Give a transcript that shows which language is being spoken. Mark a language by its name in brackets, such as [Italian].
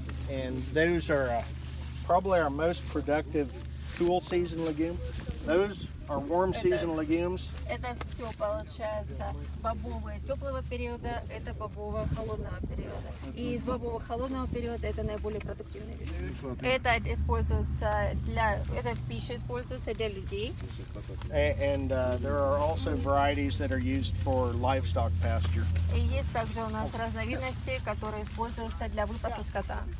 [English] And those are probably our most productive cool season legume. Those are warm season legumes. [Russian] Это все получается бобовые теплого периода, это бобовые холодного периода. И из бобового холодного периода это наиболее продуктивные виды. Это используется для, эта пища используется для людей. [English] And there are also varieties that are used for livestock pasture. [Russian] И есть также у нас разновидности, которые используются для выпаса скота.